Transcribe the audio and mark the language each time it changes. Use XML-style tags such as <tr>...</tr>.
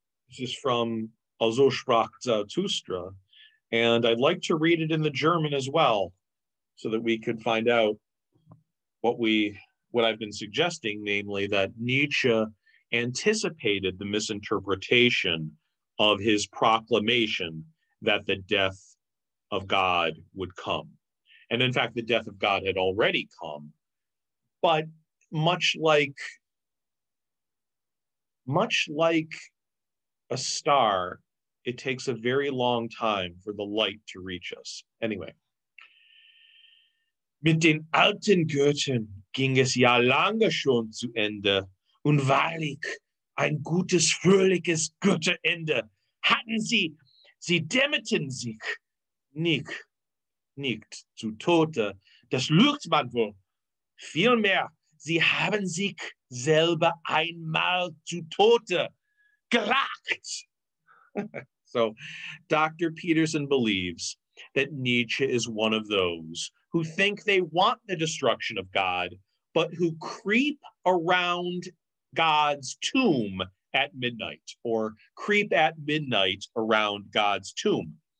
<en>This is from Also sprach Zarathustra, and I'd like to read it in the German as well, so that we could find out what I've been suggesting, namely that Nietzsche anticipated the misinterpretation of his proclamation that the death of God would come. And in fact, the death of God had already come. But much like a star, it takes a very long time for the light to reach us. Anyway.</en> <de>Mit den alten Göttern ging es ja lange schon zu Ende. Und wahrlich, ein gutes, fröhliches Götterende hatten sie. Sie dämmerten sich nicht zu Tode. Das lügt man wohl. Vielmehr, sie haben sich selber einmal zu Tode gelacht.</de> <en>So, Dr. Peterson believes that Nietzsche is one of those who think they want the destruction of God, but who creep around God's tomb at midnight, or creep at midnight around God's tomb.</en>